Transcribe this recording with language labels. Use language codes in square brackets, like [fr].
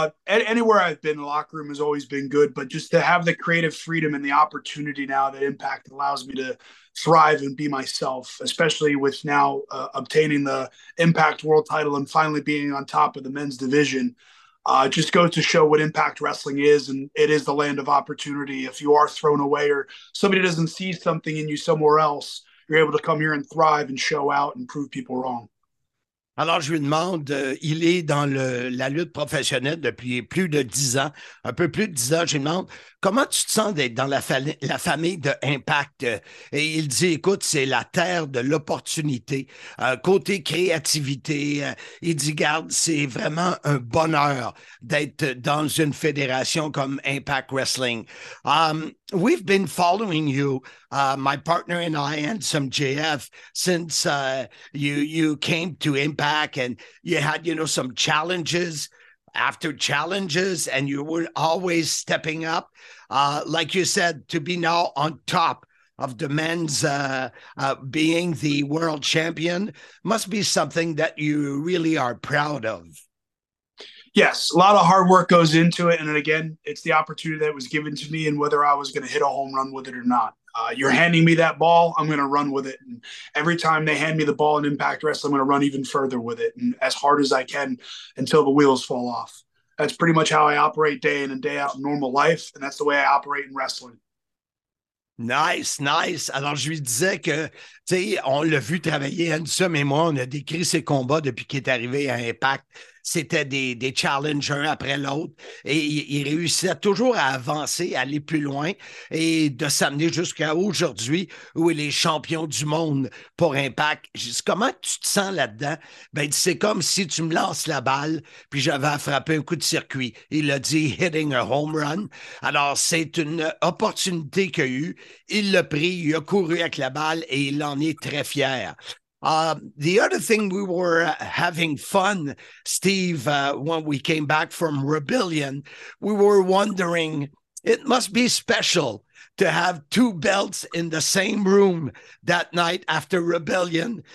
[en] Anywhere I've been, the locker room has always been good, but just to have the creative freedom and the opportunity now that Impact allows me to thrive and be myself, especially with now obtaining the Impact world title and finally being on top of the men's division, just goes to show what Impact Wrestling is, and it is the land of opportunity. If you are thrown away or somebody doesn't see something in you somewhere else, you're able to come here and thrive and show out and prove people wrong. [fr] Alors, je lui demande, il est dans la lutte professionnelle depuis plus de 10 ans, un peu plus de 10 ans. Je lui demande, comment tu te sens d'être dans la famille de Impact? Et il dit, écoute, c'est la terre de l'opportunité. Côté créativité, il dit, garde, c'est vraiment un bonheur d'être dans une fédération comme Impact Wrestling. [en] We've been following you, my partner and I, and some JF, since you came to Impact, and you had, you know, some challenges after challenges, and you were always stepping up, like you said, to be now on top of the men's being the world champion must be something that you really are proud of. Yes, a lot of hard work goes into it. And again, it's the opportunity that was given to me and whether I was going to hit a home run with it or not. You're handing me that ball, I'm going to run with it. And every time they hand me the ball in Impact Wrestling, I'm going to run even further with it and as hard as I can until the wheels fall off. That's pretty much how I operate day in and day out in normal life. And that's the way I operate in wrestling. Nice, nice. [fr] Alors, je lui disais que, tu sais, on l'a vu travailler, Ansem et moi, on a décrit ses combats depuis qu'il est arrivé à Impact. C'était des challenges un après l'autre. Et il réussissait toujours à avancer, à aller plus loin et de s'amener jusqu'à aujourd'hui où il est champion du monde pour Impact. Je dis, comment tu te sens là-dedans? Ben, c'est comme si tu me lances la balle puis j'avais à frapper un coup de circuit. Il a dit « hitting a home run ». Alors, c'est une opportunité qu'il a eue. Il l'a pris, il a couru avec la balle et il en est très fier. [en] The other thing we were having fun, Steve, when we came back from Rebellion, we were wondering, it must be special to have two belts in the same room that night after Rebellion.